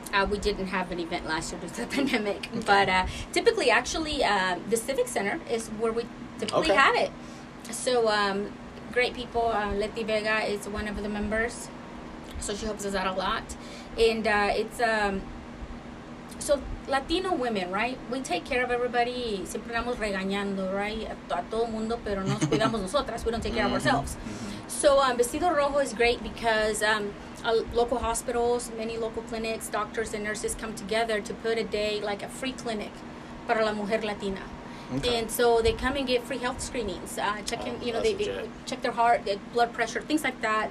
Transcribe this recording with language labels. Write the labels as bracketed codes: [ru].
[en] We didn't have an event last year due to the pandemic, but typically, actually, the Civic Center is where we typically have it. So, great people. Leti Vega is one of the members, so she helps us out a lot. And it's so Latino women, right? We take care of everybody. [es] Siempre estamos regañando, right? A todo mundo, pero nos cuidamos nosotras. [en] We don't take care of ourselves. So, Vestido Rojo is great because local hospitals, many local clinics, doctors and nurses come together to put a day, like a free clinic, [es] para la mujer latina. [en] Okay. And so they come and get free health screenings, they check their heart, their blood pressure, things like that.